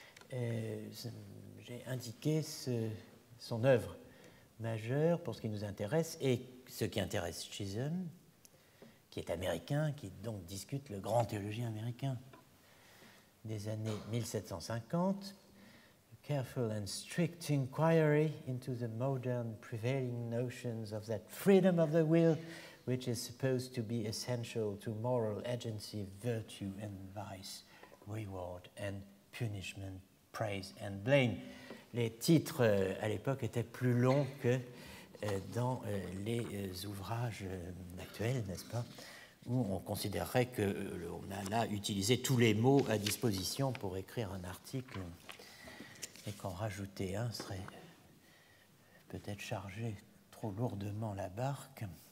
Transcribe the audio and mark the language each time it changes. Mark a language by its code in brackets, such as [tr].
[fr] J'ai indiqué son œuvre majeure pour ce qui nous intéresse et ce qui intéresse Chisholm, qui est américain, qui donc discute le grand théologien américain des années 1750. [en] Careful and strict inquiry into the modern prevailing notions of that freedom of the will which is supposed to be essential to moral agency, virtue and vice, reward and punishment, praise and blame. [fr] Les titres à l'époque étaient plus longs que dans les ouvrages actuels, n'est-ce pas, où on considérerait qu'on a là utilisé tous les mots à disposition pour écrire un article et qu'en rajouter un serait peut-être charger trop lourdement la barque.